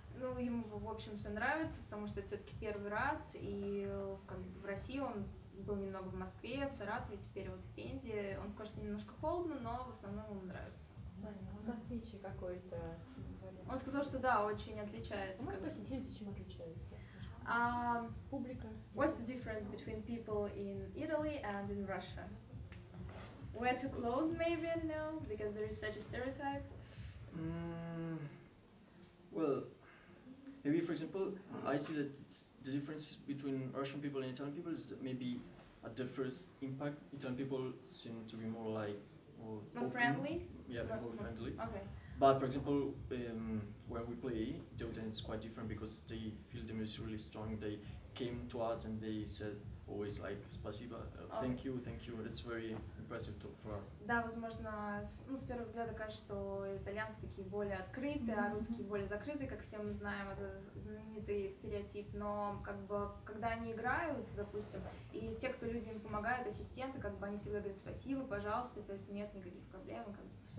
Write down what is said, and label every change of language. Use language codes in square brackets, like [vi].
[ru] Ну ему в общем все нравится, потому что это все-таки первый раз, и как бы в России он был немного в Москве, в Саратове, теперь вот в Пензе. Он скажет, что немножко холодно, но в основном ему нравится. Да, отличие какое-то. Он сказал, что да, очень отличается. Можно спросить, люди чем отличаются? Публика. [en] What's the difference between people in Italy and in Russia? We're too close, maybe, no? Because there is such a stereotype. Well, maybe for example, I see that the difference between Russian people and Italian people is maybe at the first impact, Italian people seem to be more like more friendly. Yeah, more friendly. Okay. But for example, when we play, the audience is quite different because they feel the music really strong. They came to us and they said always like [ru] "спасибо," [en] thank you. It's very impressive for us. [ru] Да, возможно, ну с первого взгляда кажется, что итальянцы такие более открытые, а русские более закрытые, как все мы знаем, это знаменитый стереотип. Но как бы когда они играют, допустим, и те, кто люди им помогают, ассистенты, как бы они всегда говорят "спасибо, пожалуйста", то есть нет никаких проблем, как бы.